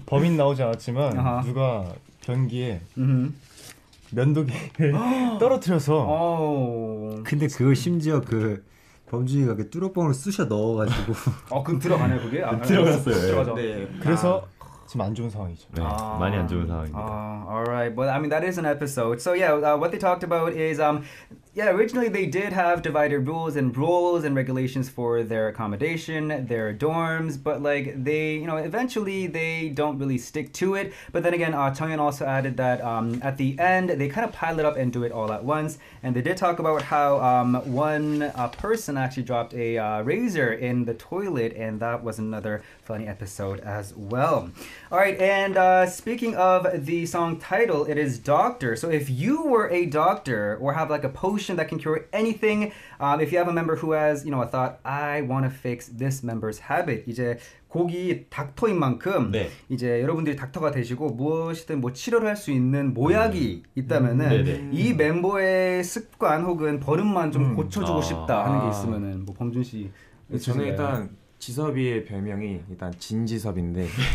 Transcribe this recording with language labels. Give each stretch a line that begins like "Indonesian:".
Korean: 범인 나오지 않았지만 아하. 누가 변기에 면도기를 떨어뜨려서 근데 그 심지어 그 범준이가 그 뚜루뻥으로 쑤셔 넣어가지고 그럼 들어가네 그게? 아, 들어갔어요 들어가죠 네. 그래서 지금 안 좋은 상황이죠 네, 많이 안 좋은 상황입니다
English: Alright, well I mean that is an episode So yeah, what they talked about is Yeah, originally they did have divided rules and regulations for their accommodation, their dorms, but like they, you know, eventually they don't really stick to it. But then again, Chungyeon also added that at the end, they kind of pile it up and do it all at once. And they did talk about how one person actually dropped a razor in the toilet, and that was another funny episode as well. All right, and speaking of the song title, it is Doctor. So if you were a doctor or have like a potion that can cure anything. If you have a member who has, you know, a thought, I want to fix this member's habit.
Korean: 이제 곡이 닥터인 만큼 네. 이제 여러분들이 닥터가 되시고 무엇이든 뭐 치료를 할 수 있는 모약이 있다면은 이 멤버의 습관 혹은 버릇만 좀 고쳐주고 싶다 하는 게 있으면은 뭐 범준 씨. 저는 일단 지섭이의 별명이 일단 진지섭인데